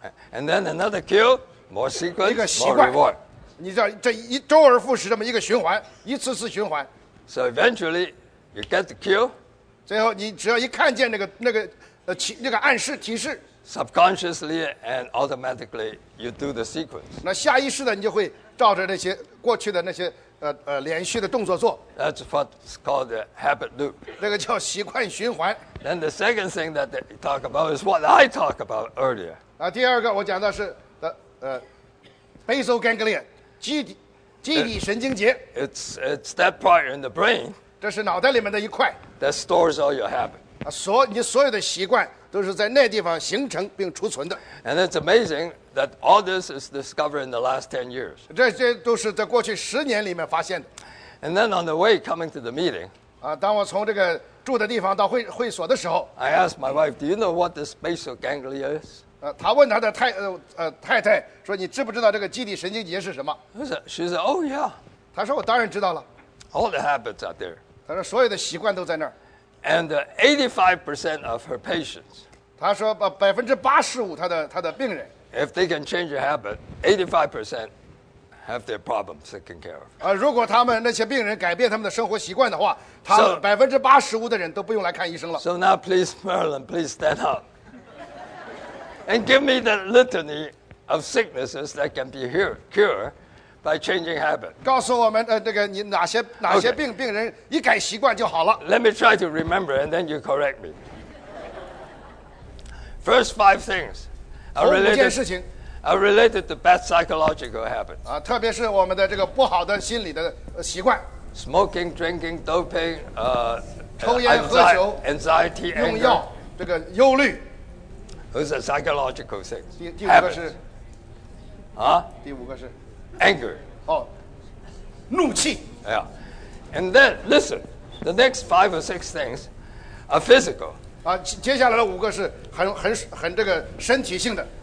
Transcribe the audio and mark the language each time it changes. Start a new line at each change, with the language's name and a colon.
English: And then another kill, more sequence, more reward.
Chinese: 你知道这一周而复始这么一个循环，一次次循环。
English: So eventually, you get the kill.
Chinese: 最后你只要一看见那个暗示提示。
English: Subconsciously and automatically, you do the sequence.
Chinese: 那下意识的你就会照着那些过去的那些。连续的动作做。
English: That's what's called the habit loop.
Chinese: 那个叫习惯循环。
English: Then the second thing that they talk about is what I talk about earlier.
Chinese: 第二个我讲的是basal ganglia, 基底神经节。
English: It's that part in the brain.
Chinese: 这是脑袋里面的一块。
English: That stores all your habit.
Chinese: 你所有的习惯都是在那地方形成并储存的。
English: And it's amazing. That all this is discovered in the last 10 years.
Chinese: 这都是在过去十年里面发现的。
English: And then on the way coming to the meeting,
Chinese: 当我从这个住的地方到会所的时候
English: ，I asked my wife, "Do you know what this basal ganglia is?"
Chinese: 她问她的太太说，你知不知道这个基底神经节是什么
English: ？She said, "Oh yeah."
Chinese: 她说我当然知道了。
English: All the habits are there.
Chinese: 她说所有的习惯都在那儿。
English: And 85% of her patients.
Chinese: 她说85%她的病人。
English: If they can change a habit, 85% have their problems taken care of.
Chinese: 如果他们那些病人改变他们的生活习惯的话，他们85%的人都不用来看医生了。
English: So now, please, Marilyn, please stand up and give me the litany of sicknesses that can be cured by changing habit.
Chinese: 告诉我们，这个你哪些病人一改习惯就好了。
English: Let me try to remember, and then you correct me. First five things. Are related to bad psychological habits.
Chinese: 特别是我们的这个不好的心理的习惯。
English: Smoking, drinking, doping,
Chinese: 抽烟喝酒
English: ，anxiety,
Chinese: 用药，这个忧虑。
English: Those are psychological things.
Chinese: 第五个是啊，第五个是
English: anger.
Chinese: 怒气。
English: Yeah. And then listen, the next five or six things are physical.
Chinese: 接下来的五个是很这个身体性的